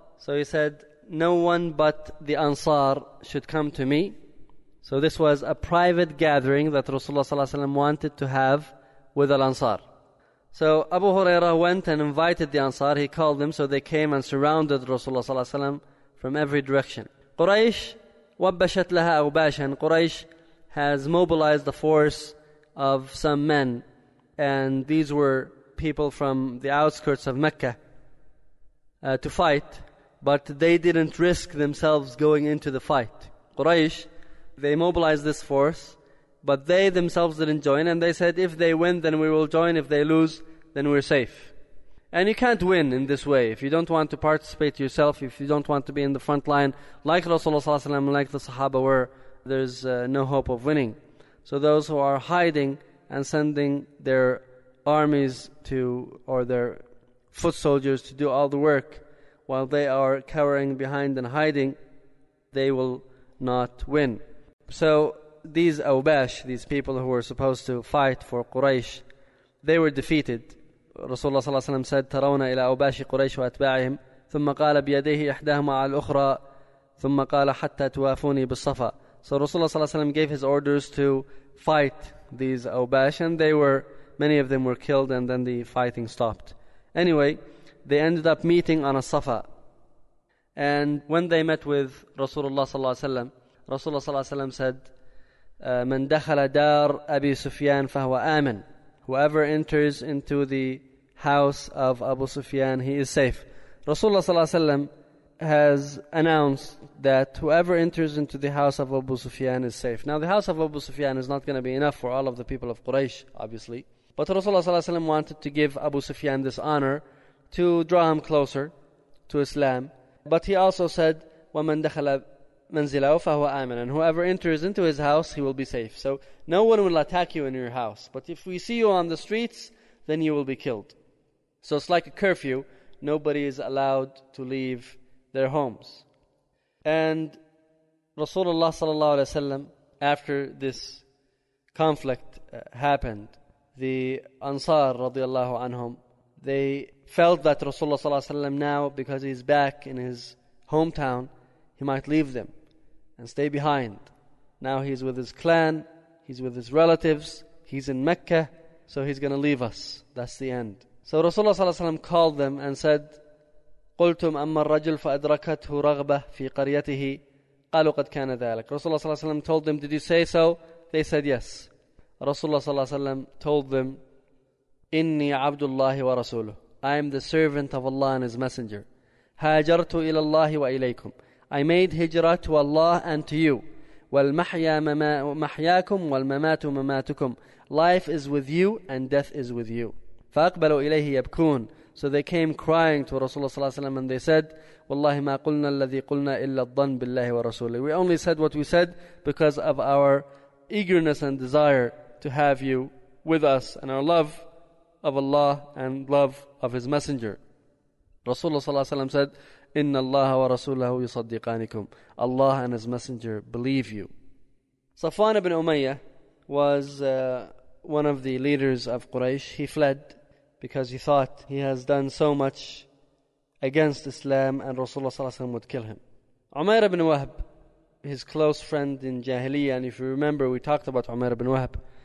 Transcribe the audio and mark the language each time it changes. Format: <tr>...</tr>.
<en>So he said, no one but the Ansar should come to me. So this was a private gathering that Rasulullah صلى الله عليه وسلم wanted to have with Al-Ansar. So Abu Huraira went and invited the Ansar. He called them, so they came and surrounded Rasulullah صلى الله عليه وسلم from every direction.</en> <ar>Quraysh وبشت لها أوباشا.</ar> <en>Quraysh has mobilized the force of some men, and these were people from the outskirts of Mecca to fight. But they didn't risk themselves going into the fight. Quraysh, they mobilized this force, but they themselves didn't join. And they said, if they win, then we will join. If they lose, then we're safe. And you can't win in this way. If you don't want to participate yourself, if you don't want to be in the front line, like Rasulullah ﷺ, like the Sahaba were, there's no hope of winning. So those who are hiding and sending their armies to, or their foot soldiers to do all the work, while they are cowering behind and hiding, they will not win. So these awbash, these people who were supposed to fight for Quraysh, they were defeated. Rasulullah صلى الله عليه وسلم said,</en> <ar>تَرَوْنَا إِلَىٰ أَوْبَاشِ قُرَيْشِ وَأَتْبَاعِهِمْ ثُمَّ قَالَ بِيَدَيْهِ إِحْدَاهُمَا عَلَى الْأُخْرَىٰ ثُمَّ قَالَ حَتَّى تُوَافُونِي بِالصَّفَىٰ.</ar> <en>So Rasulullah صلى الله عليه وسلم gave his orders to fight these awbash, and they were, many of them were killed, and then the fighting stopped. Anyway, they ended up meeting on a Safa. And when they met with Rasulullah صلى الله عليه وسلم, Rasulullah صلى الله عليه وسلم said,</en> <ar>مَنْ دَخَلَ دَارْ أَبِي سُفْيَانْ فَهُوَ آمِنْ.</ar> <en>Whoever enters into the house of Abu Sufyan, he is safe. Rasulullah صلى الله عليه وسلم has announced that whoever enters into the house of Abu Sufyan is safe. Now the house of Abu Sufyan is not going to be enough for all of the people of Quraysh, obviously. But Rasulullah ﷺ wanted to give Abu Sufyan this honor to draw him closer to Islam. But he also said,</en> <ar>وَمَنْ دَخَلَ مَنْزِلَهُ فَهُوَ آمِنًا.</ar> <en>Whoever enters into his house, he will be safe. So no one will attack you in your house. But if we see you on the streets, then you will be killed. So it's like a curfew. Nobody is allowed to leave their homes. And Rasulullah ﷺ, after this conflict happened, the Ansar radiallahu anhum, they felt that Rasulullah ﷺ now, because he's back in his hometown, he might leave them and stay behind. Now he's with his clan, he's with his relatives, he's in Mecca, so he's going to leave us. That's the end. So Rasulullah ﷺ called them and said,</en> <ar>قُلْتُمْ أَمَّا الرَّجُلْ فَأَدْرَكَتْهُ رَغْبَةٌ فِي قَرْيَتِهِ قَالُوا قَدْ كَانَ ذَلَكَ.</ar> <en>Rasulullah ﷺ told them, did you say so? They said yes. Rasulullah ﷺ told them,</en> <ar>إِنِّي عَبْدُ اللَّهِ وَرَسُولُهُ.</ar> <en>I am the servant of Allah and His Messenger.</en> <ar>هَاجَرْتُ إِلَى اللَّهِ وَإِلَيْكُمْ.</ar> <en>I made hijrah to Allah and to you.</en> <ar>وَالْمَحْيَا مَحْيَاكُمْ وَالْمَمَاتُ مَمَاتُكُمْ.</ar> <en>Life is with you and death is with you.</en> <ar>فَأَقْبَلُوا إِلَيْهِ يَبْكُونَ.</ar> <en>So they came crying to Rasulullah ﷺ and they said,</en> <ar>وَاللَّهِ مَا قُلْنَا الَّذِي قُلْنَا إِلَّا الظَّنْ بِاللَّهِ وَرَسُولِهِ.</ar> <en>We only said what we said because of our eagerness and desire to have you with us and our love of Allah and love of His Messenger. Rasulullah ﷺ said,</en> <ar>إِنَّ اللَّهَ وَرَسُولَهُ يُصَدِّقَانِكُمْ.</ar> <en>Allah and His Messenger believe you. Safwan ibn Umayyah was one of the leaders of Quraysh. He fled because he thought he has done so much against Islam and Rasulullah ﷺ would kill him. Umayr ibn Wahb, his close friend in Jahiliyyah, and if you remember, we talked about Umayr ibn Wahb.</en>